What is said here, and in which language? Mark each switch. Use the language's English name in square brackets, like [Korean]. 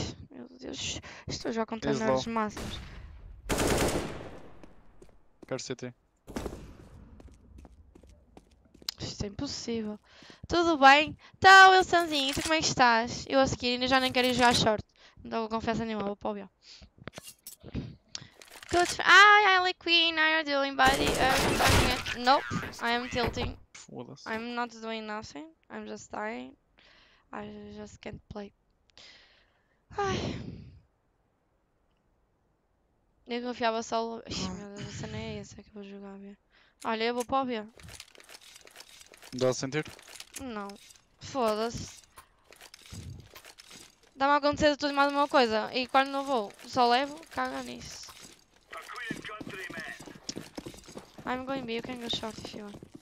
[Portuguese] Meu Deus, estou a jogar contra nerds massas. Quero CT. Isto é impossível. Tudo bem? Então, Wilsonzinho, tu como é que estás? Eu a seguir ainda já nem quero ir jogar short. Não dou confiança nenhuma, vou para o Bio. [English] Ai, Ali Queen, how are you doing, buddy? Nope, I am tilting. I'm not doing nothing. I'm just dying. I just can't play. Ai. [Portuguese] Eu confiava só. Ai, meu Deus, essa não é essa que eu vou jogar, viu? Olha, eu vou para o Bio. Dá a sentir? Não. Foda-se. Dá-me a acontecer de tudo e mais uma coisa. E quando não vou, só levo, caga nisso. [English] I'm going B, you can go short if you want.